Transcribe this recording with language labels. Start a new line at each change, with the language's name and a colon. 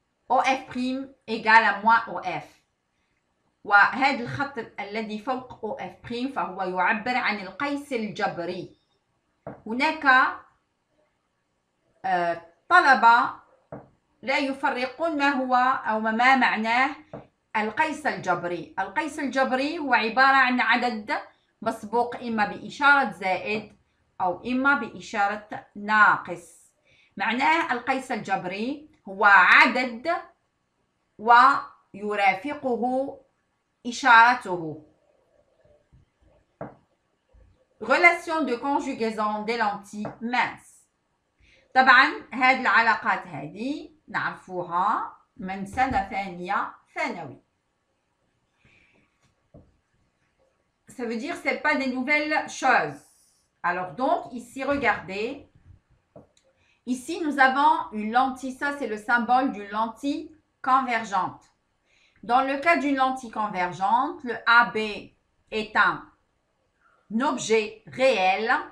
French: OF prime égale à moins OF.
Arabic: وهذا الخط الذي فوق OF prime فهو يعبر عن القيس الجبري. هناك طلبة لا يفرقون ما هو أو ما معناه القيس الجبري. القيس الجبري هو عبارة عن عدد مسبوق إما بإشارة زائد أو إما بإشارة ناقص. معناه القيس الجبري هو عدد ويرافقه إشارته.
French: Relation de conjugaison des lentilles minces.
Arabic: طبعا هذه العلاقات هذه نعرفوها من سنة ثانية ثانوي.
French: Ça veut dire que ce n'est pas des nouvelles choses. Alors donc, ici, regardez. Ici, nous avons une lentille. Ça, c'est le symbole d'une lentille convergente. Dans le cas d'une lentille convergente, le AB est un objet réel.